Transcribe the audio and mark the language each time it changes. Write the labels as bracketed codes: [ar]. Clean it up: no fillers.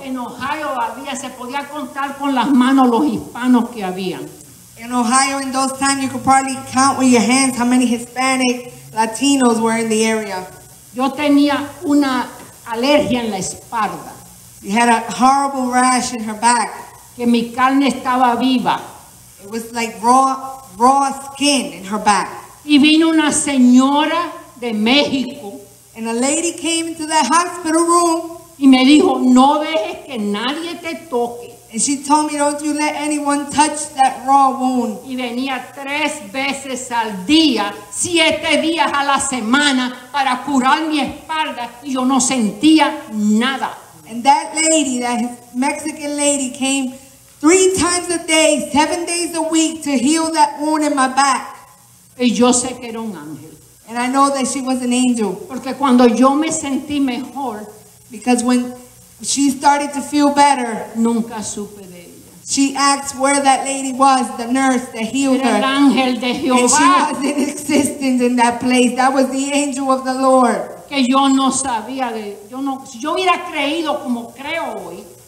[es] En Ohio había, se podía contar con las manos los hispanos que había. [en] In Ohio, in those times, you could probably count with your hands how many Hispanic Latinos were in the area. [es] Yo tenía una alergia en la espalda. [en] She had a horrible rash in her back. [es] Que mi carne estaba viva. [en] It was like raw skin in her back. [es] Y vino una señora de México. [en] And a lady came into that hospital room. [es] Y me dijo, no dejes que nadie te toque. [en] And she told me, don't you let anyone touch that raw wound. [es] Y venía tres veces al día, siete días a la semana, para curar mi espalda. Y yo no sentía nada. [en] And that lady, that Mexican lady, came three times a day, 7 days a week, to heal that wound in my back. [es] Y yo sé que era un ángel. [en] And I know that she was an angel. [es] Porque cuando yo me sentí mejor, [en] because when she started to feel better, [es] nunca supe de ella. [en] She asked where that lady was, the nurse that healed [es] era [en] her. [es] Era el ángel de Jehová. [en] And she was in existence in that place. That was the angel of the Lord. [es] Que yo no sabía de, yo no, si yo hubiera creído como creo hoy,